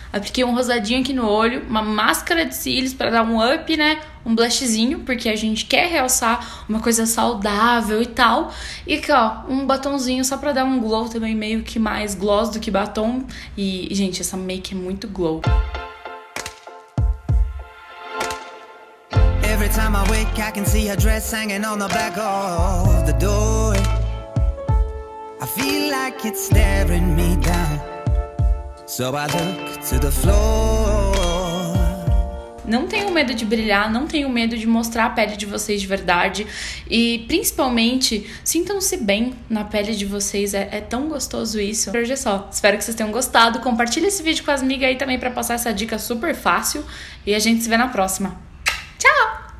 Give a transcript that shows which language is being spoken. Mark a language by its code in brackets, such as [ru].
[pt] Apliquei um rosadinho aqui no olho, uma máscara de cílios pra dar um up, né? Um blushzinho, porque a gente quer realçar uma coisa saudável e tal. E aqui, ó, um batonzinho só pra dar um glow também, meio que mais gloss do que batom. E, gente, essa make é muito glow. [en] Every time I wake, I can see a dress hanging on the back of the door. I feel like it's staring me down. So I look to the floor. [pt] Não tenho medo de brilhar, não tenho medo de mostrar a pele de vocês de verdade. E principalmente, sintam-se bem na pele de vocês, é tão gostoso isso. Por hoje é só, espero que vocês tenham gostado. Compartilha esse vídeo com as amigas aí também pra passar essa dica super fácil. E a gente se vê na próxima. Tchau!